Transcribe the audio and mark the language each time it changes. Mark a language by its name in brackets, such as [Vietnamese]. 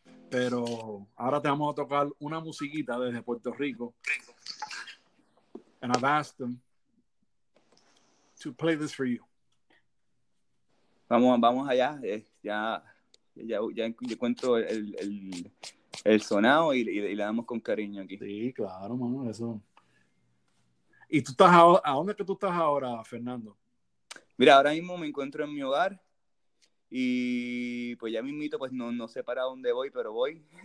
[Spanish] Pero ahora te vamos a tocar una musiquita desde Puerto Rico. [English] And I've asked him to play this for you. [Spanish] Vamos allá. Ya cuento el sonado y le damos con cariño aquí. Sí, claro, mano, eso. ¿Y tú estás a dónde es que tú estás ahora, Fernando? Mira, ahora mismo me encuentro en mi hogar y pues ya mismito, pues no sé para dónde voy, pero voy.